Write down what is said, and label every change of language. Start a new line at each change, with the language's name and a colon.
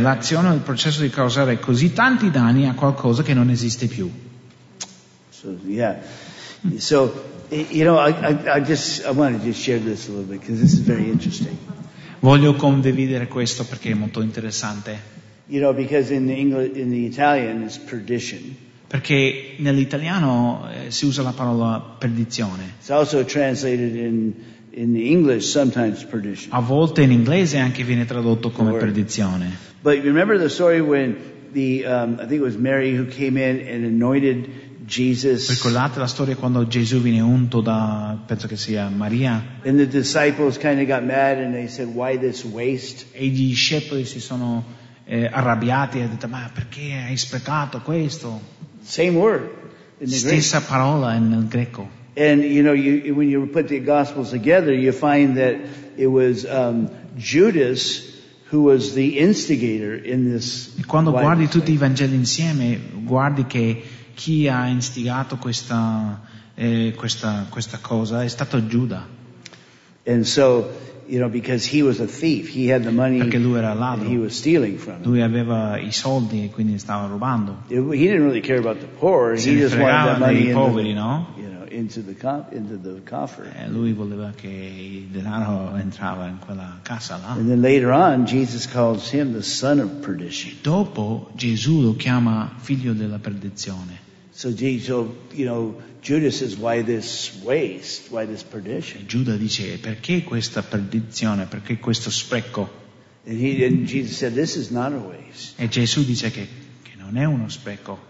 Italian: L'azione o il processo di causare così tanti danni a qualcosa che non esiste più.
English: So, yeah. So, you know, I wanted to share this a little bit because this is very interesting.
Italian: Voglio condividere questo perché è molto interessante.
English: You know, because in the English, in the Italian it's perdition.
Italian: Perché nell'italiano si usa la parola perdizione.
English: It's also translated in the English sometimes perdition.
Italian: A volte in inglese anche viene tradotto come perdizione.
English: But you remember the story when the I think it was Mary who came in and anointed Jesus.
Italian: Ricordate la storia quando Gesù viene unto da, penso che sia Maria.
English: And the disciples kind of got mad and they said, "Why this waste?"
Italian: E i discepoli si sono arrabbiati e hanno detto, "Ma perché hai sprecato questo?"
English: Same word.
Italian: Stessa parola nel greco.
English: And you know, when you put the gospels together, you find that it was Judas who was the instigator in this.
Italian: E quando guardi tutti i Vangeli insieme, guardi che chi ha instigato questa cosa è stato Giuda.
English: And so, you know, because he was a thief, he had the money.
Italian: Perché lui era ladro.
English: He was stealing from.
Italian: Lui aveva i soldi e quindi stava rubando.
English: He didn't really care about the poor.
Italian: Si fregava dei poveri, no?
English: Into the coffer.
Italian: E lui voleva che il denaro entrava in quella casa là.
English: And then later on, Jesus calls him the son of perdition.
Italian: Dopo Gesù lo chiama figlio della perdizione.
English: So Jesus, you know, Judas says, "Why this waste? Why this perdition?"
Italian: E Giuda dice, "Perché questa perdizione? Perché questo spreco?"
English: And Jesus said, "This is not a waste."
Italian: E Gesù dice che non è uno spreco.